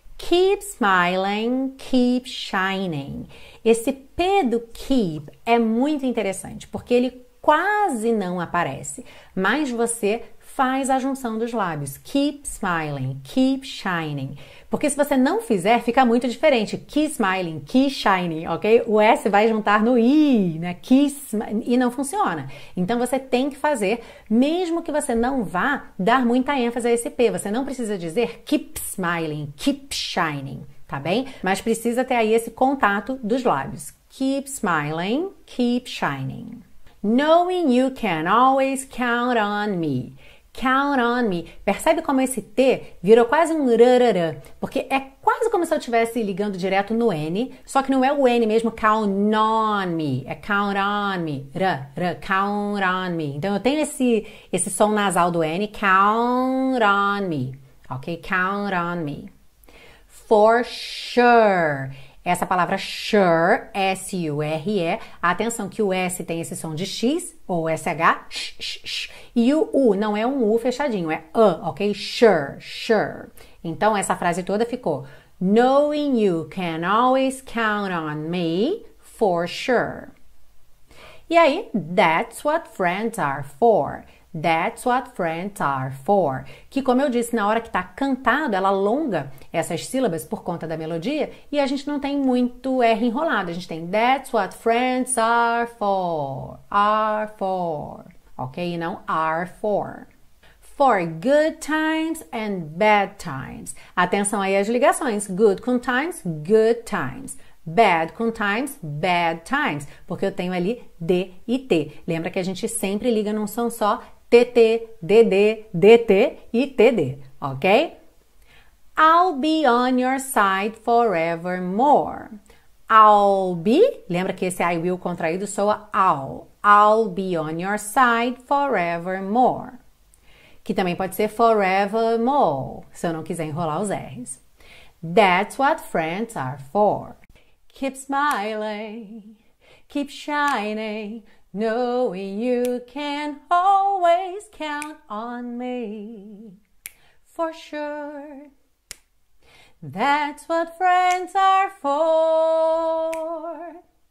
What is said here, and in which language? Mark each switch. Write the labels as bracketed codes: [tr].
[en] keep smiling, keep shining. [pt] Esse P do keep é muito interessante, porque ele quase não aparece, mas você faz a junção dos lábios. [en] Keep smiling, keep shining. [pt] Porque se você não fizer, fica muito diferente. [en] Keep smiling, keep shining, ok? [pt] O S vai juntar no I, né? Keep e não funciona. Então você tem que fazer, mesmo que você não vá dar muita ênfase a esse P. Você não precisa dizer [en] keep smiling, keep shining, [pt] tá bem? Mas precisa ter aí esse contato dos lábios. [en] Keep smiling, keep shining. Knowing you can always count on me. Count on me. [pt] Percebe como esse T virou quase um rarara, porque é quase como se eu estivesse ligando direto no N, só que não é o N mesmo, [en] count on me. [pt] É [en] count on me. Count on me. [pt] Então eu tenho esse som nasal do N, [en] count on me. [pt] Ok? [en] Count on me. For sure. [pt] Essa palavra sure, S-U-R-E, atenção que o S tem esse som de X, ou SH, sh, sh, sh, e o U não é um U fechadinho, é ok? [en] Sure, sure. [pt] Então essa frase toda ficou: [en] Knowing you can always count on me for sure. [pt] E aí, [en] that's what friends are for. That's what friends are for. [pt] Que, como eu disse, na hora que está cantado, ela alonga essas sílabas por conta da melodia e a gente não tem muito R enrolado. A gente tem [en] that's what friends are for. Are for. Ok? [pt] E não [en] are for. For good times and bad times. [pt] Atenção aí às ligações. [en] Good com times, good times. Bad com times, bad times. [pt] Porque eu tenho ali D e T. Lembra que a gente sempre liga num som só. TT, DD, DT e TD, ok? [en] I'll be on your side forevermore. I'll be, [pt] lembra que esse [en] I will [pt] contraído soa ao. [en] I'll be on your side forevermore. [pt] Que também pode ser forevermore, se eu não quiser enrolar os R's. [en] That's what friends are for. Keep smiling, keep shining. Knowing you can always count on me for sure. That's what friends are for.